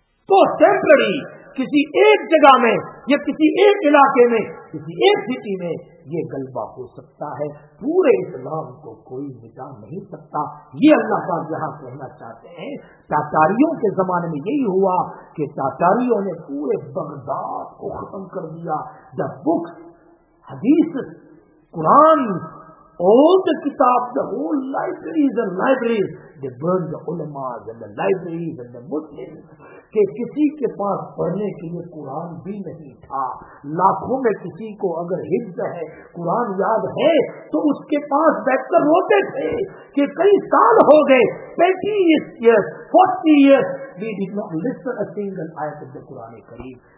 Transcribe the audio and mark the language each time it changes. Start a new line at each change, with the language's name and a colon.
Urdu: تو ٹیمپرری کسی ایک جگہ میں یا کسی ایک علاقے میں, کسی ایک سٹی میں یہ غلبہ ہو سکتا ہے, پورے اسلام کو کوئی مٹا نہیں سکتا. یہ اللہ کا یہاں کہنا چاہتے ہیں. تاتاریوں کے زمانے میں یہی ہوا کہ تاتاریوں نے پورے بغداد کو ختم کر دیا.
English: the books,
Urdu: حدیث, قرآن,
English: all the kitab, the whole libraries and libraries, they burn the ulamas and the libraries and the Muslims.
Urdu: کہ کسی کے پاس پڑھنے کے لیے قرآن بھی نہیں تھا. لاکھوں میں کسی کو اگر حفظ ہے, قرآن یاد ہے, تو اس کے پاس بیٹھ کر روتے تھے کہ کئی سال ہو گئے,
English: 35 years, 40 years, we did not listen a single ayat of the
Urdu: Quran cream.